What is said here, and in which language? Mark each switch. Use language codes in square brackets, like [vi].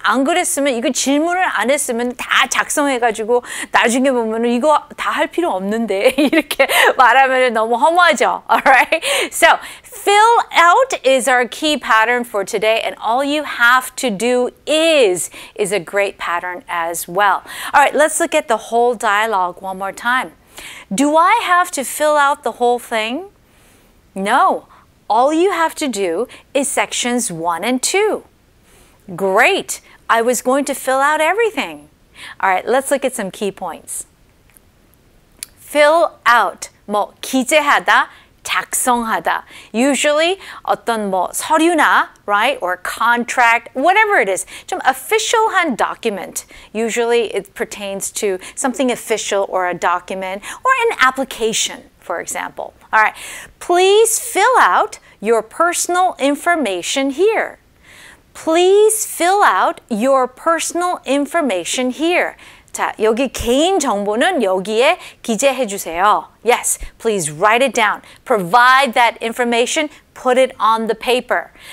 [ko] 안 그랬으면 이거 질문을 안 했으면 다 작성해 가지고 나중에 보면은 이거 다 할 필요 없는데 이렇게 말하면은 너무 허무하죠. [en] All right? So, fill out is our key pattern for today and all you have to do is a great pattern as well. All right, let's look at the whole dialogue one more time. Do I have to fill out the whole thing? No. All you have to do is sections 1 and 2. Great! I was going to fill out everything. Alright, let's look at some key points. [ko] Fill out, 뭐 기재하다, 작성하다. [en] Usually [ko] 어떤 뭐 서류나, [en] right? Or contract, whatever it is. [ko] 좀 official한 document. [en] Usually it pertains to something official or a document or an application, for example. Alright, please fill out your personal information here. Please fill out your personal information here. [ko] 자, 여기 개인 정보는 여기에 기재해 주세요. [en] Yes, please write it down. Provide that information, put it on the paper.